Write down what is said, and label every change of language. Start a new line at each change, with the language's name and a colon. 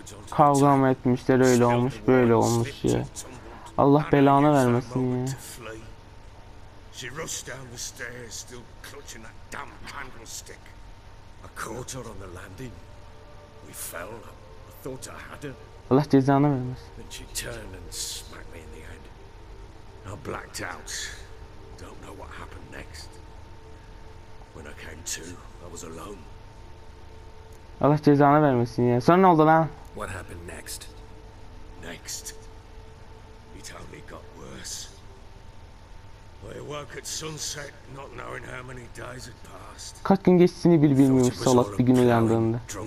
Turkish: Kavga mı etmişler, öyle olmuş, böyle olmuş ya. Allah belanı vermesin ya.
English: She rushed down the stairs, still clutching that damn candlestick. I caught her on the landing. We fell. I thought I had her.
Turkish: Allah cezanı vermesin.
English: Then she turned and smacked me in the head. I blacked out. Don't know what happened next. When I came to, I was alone.
Turkish: Allah cezanı vermesin ya. Sonra ne oldu lan?
English: What happened next? Next. It only got worse. I awoke at sunset, not knowing how many days had passed.
Turkish: Kaç gün geçtiğini bile bilmiyormuş salak bir gün uyandığında.